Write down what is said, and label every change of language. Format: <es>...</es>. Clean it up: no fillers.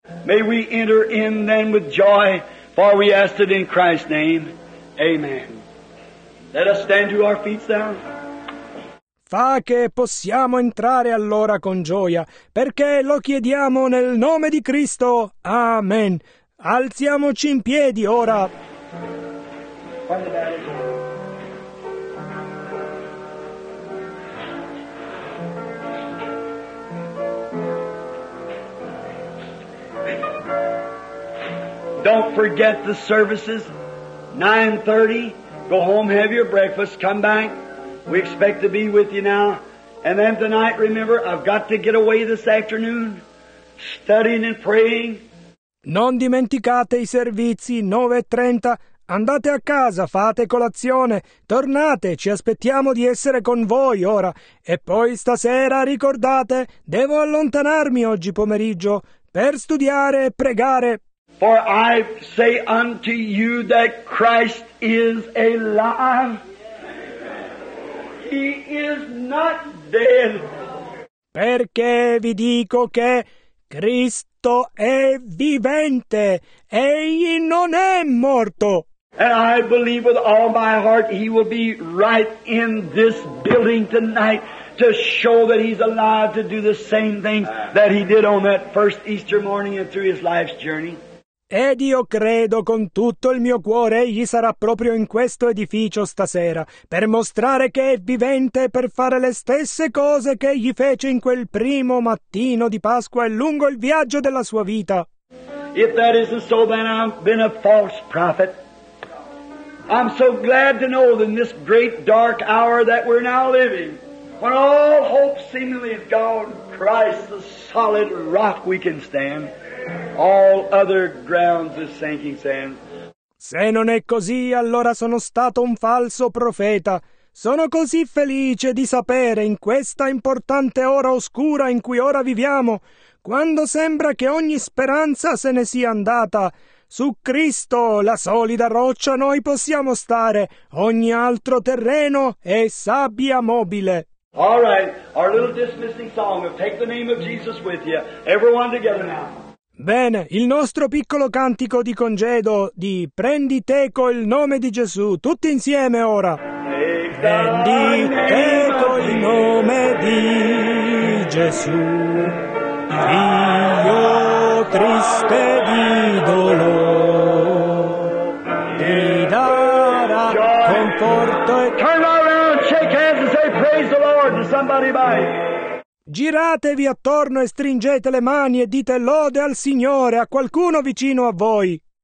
<en>May we enter in then with joy, for we ask it in Christ's name. Amen. Let us stand to our feet now.</en> <it>Fa che possiamo entrare allora con gioia, perché lo chiediamo nel nome di Cristo. Amen. Alziamoci in piedi ora.</it> <en>Don't forget the services, 9:30. Go home, have your breakfast, come back. We expect to be with you now. And then tonight, remember, I've got to get away this afternoon, studying and praying.</en> <it>Non dimenticate i servizi, 9:30. Andate a casa, fate colazione, tornate, ci aspettiamo di essere con voi ora. E poi stasera, ricordate, devo allontanarmi oggi pomeriggio per studiare e pregare.</it> <en>For I say unto you that Christ is alive. He is not dead.</en> <it>Perché vi dico che Cristo è vivente. Egli non è morto.</it> <en>And I believe with all my heart He will be right in this building tonight to show that He's alive to do the same thing that He did on that first Easter morning and through His life's journey.</en> <it>Ed io credo con tutto il mio cuore egli sarà proprio in questo edificio stasera per mostrare che è vivente e per fare le stesse cose che egli fece in quel primo mattino di Pasqua e lungo il viaggio della sua vita.</it> <en>If that isn't so, then I've been a false prophet. I'm so glad to know that in this great dark hour that we're now living, when all hope seemingly is gone, Christ, the solid rock we can stand. All other grounds is sinking sand.</en> <it>Se non è così, allora sono stato un falso profeta. Sono così felice di sapere in questa importante ora oscura in cui ora viviamo, quando sembra che ogni speranza se ne sia andata, su Cristo, la solida roccia, noi possiamo stare. Ogni altro terreno è sabbia mobile.</it> <en>All right, our little dismissing song of Take the Name of Jesus with You. Everyone together now.</en> <it>Bene, il nostro piccolo cantico di congedo di Prendi teco il nome di Gesù, tutti insieme ora. Prendi teco il nome di Gesù, Dio triste di dolore, ti darà conforto e...</it> <en>Turn around, shake hands and say praise the Lord to somebody by it.</en> <it>Giratevi attorno e stringete le mani e dite lode al Signore a qualcuno vicino a voi.</it>